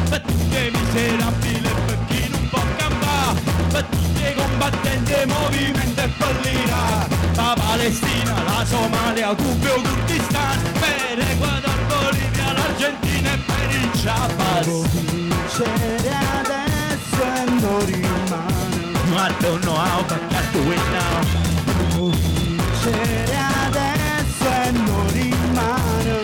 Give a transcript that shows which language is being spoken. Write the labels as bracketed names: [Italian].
[Italian] Per tutti i miserabili e per chi non può campare, per tutti i combattenti e i movimenti e per l'Iraq. La Palestina, la Somalia, Cuba o Kurdistan, per Ecuador, Bolivia, l'Argentina e per il Chiapas. Vincere adesso e non rimane. [English] I don't know how, but got to win now. [Italian] Vincere adesso e non rimane.